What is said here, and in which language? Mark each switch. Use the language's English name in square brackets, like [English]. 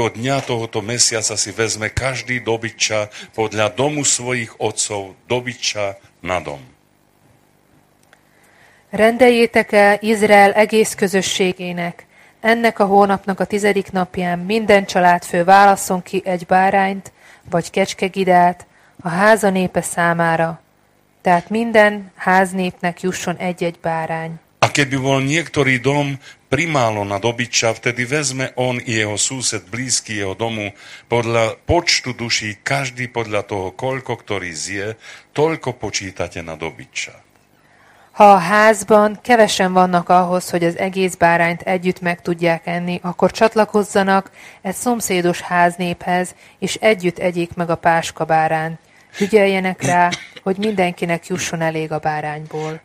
[Slovak] dňa tohoto mesiaca si vezme každý dobytča podľa domu svojich otcov, dobytča na dom. [Hungarian] Rendeljétek el Izrael egész közösségének. Ennek a hónapnak a 10. napján minden családfő válasszon ki egy bárányt, vagy kecskegidát a háza népe számára. Tehát minden háznépnek jusson egy-egy bárány. [Slovak] A keby bol niektorý dom primálo na dobytča, vtedy vezme on i jeho sused blízky jeho domu podľa počtu duší, každý podľa toho, koľko ktorý zje, toľko počítate na dobytča. [Hungarian] Ha a házban kevesen vannak ahhoz, hogy az egész bárányt együtt meg tudják enni, akkor csatlakozzanak egy szomszédos háznéphez, és együtt egyék meg a páska bárán. Ügyeljenek rá, hogy mindenkinek jusson elég a bárányból.